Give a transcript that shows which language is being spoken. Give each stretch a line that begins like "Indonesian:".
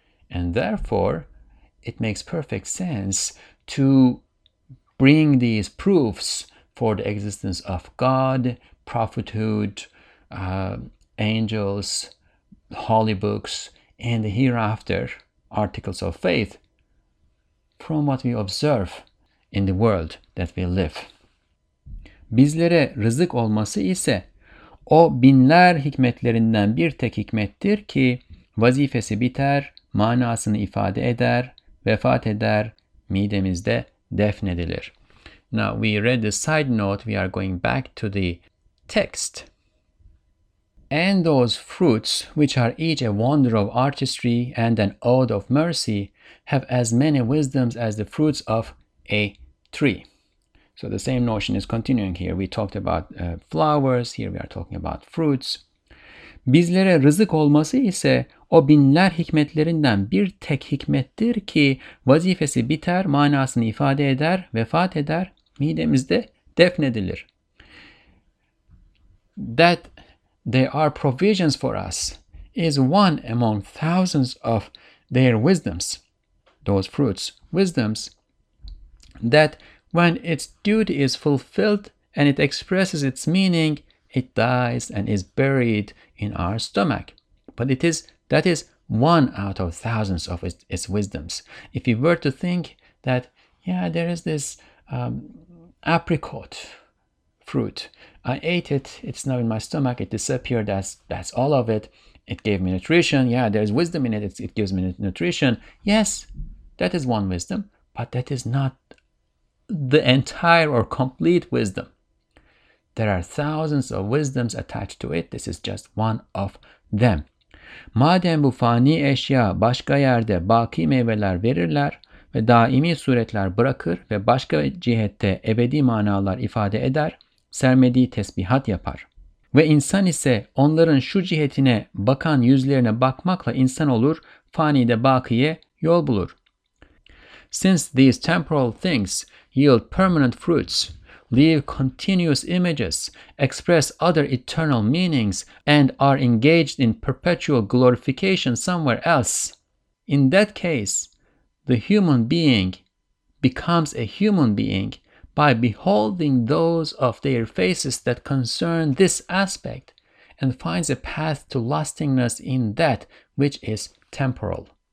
English: And therefore, it makes perfect sense to bring these proofs for the existence of God, prophethood, angels, holy books, and the hereafter, articles of faith, from what we observe in the world that we live.
Turkish: Bizlere rızık olması ise o binler hikmetlerinden bir tek hikmettir ki vazifesi biter, manasını ifade eder, vefat eder, midemizde defnedilir.
English: Now we read the side note, we are going back to the text. And those fruits, which are each a wonder of artistry and an ode of mercy, have as many wisdoms as the fruits of a tree. So the same notion is continuing here. We talked about flowers, here we are talking about fruits.
Turkish: Bizlere rızık olması ise o binler hikmetlerinden bir tek hikmettir ki vazifesi biter, manasını ifade eder, vefat eder, midemizde defnedilir.
English: That there are provisions for us is one among thousands of their wisdoms. those fruits, wisdoms, that when its duty is fulfilled and it expresses its meaning, it dies and is buried in our stomach. But that is one out of thousands of its wisdoms. If you were to think that, yeah, there is this apricot fruit, I ate it, it's now in my stomach, it disappeared, that's all of it. It gave me nutrition. Yeah, there's wisdom in it. It gives me nutrition. Yes, that is one wisdom, but that is not the entire or complete wisdom. There are thousands of wisdoms attached to it. This is just one of them.
Turkish: Madem bu fani eşya başka yerde baki meyveler verirler ve daimi suretler bırakır ve başka cihette ebedi manalar ifade eder, sermediği tesbihat yapar. Ve insan ise onların şu cihetine bakan yüzlerine bakmakla insan olur, fani de bakiye yol bulur.
English: Since these temporal things yield permanent fruits, leave continuous images, express other eternal meanings, and are engaged in perpetual glorification somewhere else, in that case, the human being becomes a human being by beholding those of their faces that concern this aspect and finds a path to lastingness in that which is temporal.